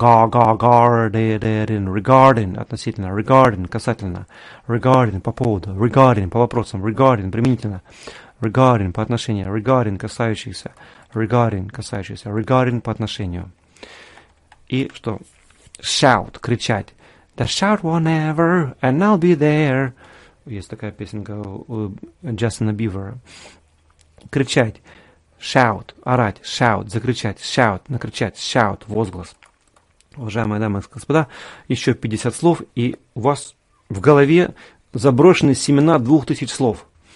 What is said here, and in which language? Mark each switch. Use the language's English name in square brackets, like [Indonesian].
[Russian] Regarding, regarding, относительно, regarding, касательно, regarding, по поводу, regarding, по вопросам, regarding, применительно, regarding, по отношению, regarding, касающийся, regarding, касающийся, regarding, по отношению. И что? Shout, кричать. [English] The shout whenever, and I'll be there. [Russian] Есть такая песенка у Джастина Бивера. Кричать. Shout. Орать. Shout. Закричать. Shout. Накричать. Shout. Возглас. Уважаемые дамы и господа, еще 50 слов, и у вас в голове заброшены семена 2000 слов.